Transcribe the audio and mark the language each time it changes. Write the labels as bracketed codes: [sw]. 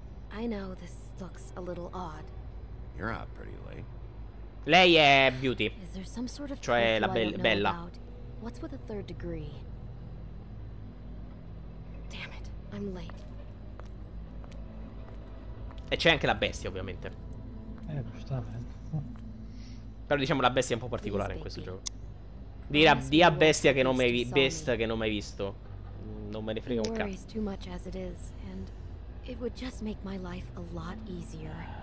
[en] I know this looks a little odd. You're up pretty late. [it] Lei è Beauty, cioè la bella. [en] What's with the third degree? Damn it, I'm late. [it] E c'è anche la bestia, ovviamente. Giustamente. Però diciamo la bestia è un po' particolare in questo gioco. Di a bestia che non mi hai visto, che non mi hai visto. Non me ne frega un cazzo. [en] Too much as it is, and it would just make my life a lot easier.